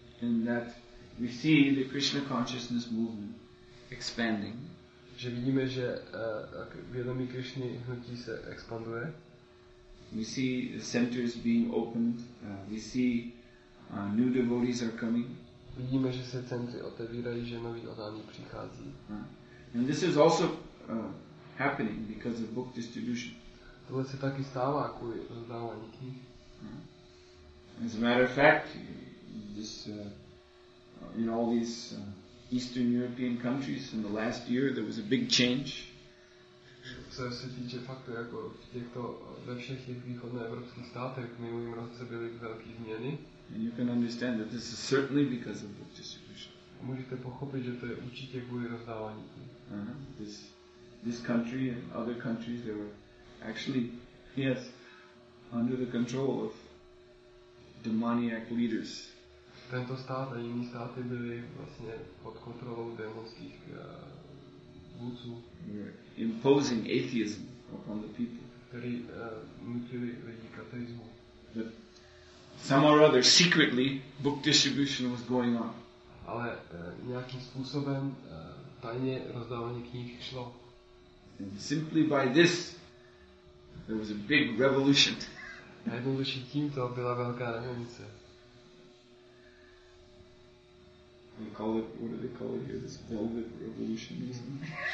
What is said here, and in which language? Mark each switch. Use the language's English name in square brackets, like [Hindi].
[English] In that we see the Krishna consciousness movement expanding. [Czech] Že vidíme, že vědomí Krishny hnutí se expanduje. [English] We see the centers being opened. We see new devotees are coming. [Czech] Vidíme, že se centry otevírají, že noví odání přichází. [English] And this is also happening because of book distribution. [Czech] Tohle se taky stává kvůli rozdávání knih. [English] As a matter of fact, this in all these Eastern European countries in the last year there was a big change. [Czech] Co se týče faktu, jako v těchto ve všech těch východoevropských státech v minulém roce byly velké změny. [English] And you can understand that this is certainly because of book distribution. [Czech] Můžete pochopit, že to je určitě kvůli rozdávání knih. [English] This country and other countries, they were actually, yes, under the control of demoniac leaders. [Czech] Tento stát a jiné státy byly vlastně pod kontrolou démonských vůdců. [English] Were imposing atheism upon the people. [Czech] Který nutili lidi k ateismu. [English] But some or other, secretly, book distribution was going on. [Czech] Ale nějakým způsobem tajně rozdávání knih šlo. [English] And simply by this, there was a big revolution. [Czech] Jednoduše tím to byla velká revoluce. [English] They call it, what do they call it here? This velvet revolution, isn't it?